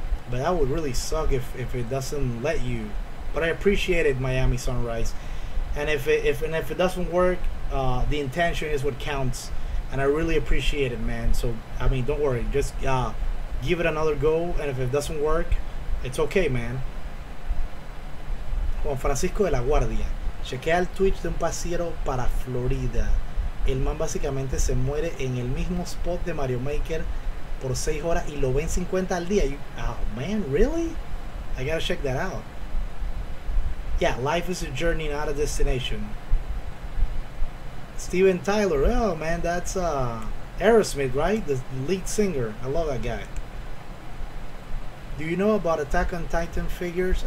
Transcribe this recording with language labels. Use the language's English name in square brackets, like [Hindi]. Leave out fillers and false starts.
[English] But that would really suck if it doesn't let you. But I appreciate it, Miami Sunrise. And if it doesn't work, the intention is what counts. And I really appreciate it, man. So, I mean, don't worry. Just give it another go. And if it doesn't work, it's okay, man. Juan Francisco de la Guardia. [Spanish] Chequea el Twitch de un pasiero para Florida. El man básicamente se muere en el mismo spot de Mario Maker por 6 horas y lo ven 50 al día. [English] Oh, man, really? I gotta check that out. Yeah, life is a journey, not a destination. Steven Tyler, oh man, that's Aerosmith, right? The lead singer. I love that guy. Do you know about Attack on Titan figures?